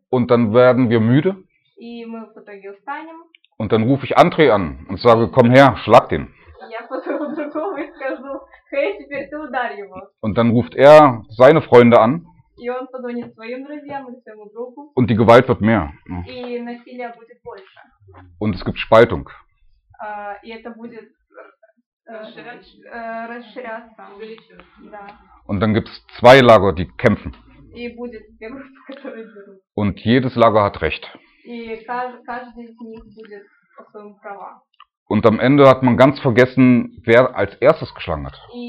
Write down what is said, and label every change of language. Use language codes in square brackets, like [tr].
[de] Und dann werden wir müde. [ru] И мы в итоге устанем. [de] Und dann rufe ich André an und sage, komm her, schlag den. [ru] Я позову другого и скажу, hey, теперь ты ударь его. [de] Und dann ruft er seine Freunde an. [ru] И он позвонит своим друзьям или своему другу. [de] Und die Gewalt wird mehr. [ru] И насилие будет больше. [de] Und es gibt Spaltung. [ru] И это будет расширяться. Да. [de] Und dann gibt's zwei Lager, die kämpfen. [ru] И будет две группы, которые дерутся. [de] Und jedes Lager hat recht. [ru] И каждый из них будет по своему права. [de] Und am Ende hat man ganz vergessen, wer als erstes geschlagen hat.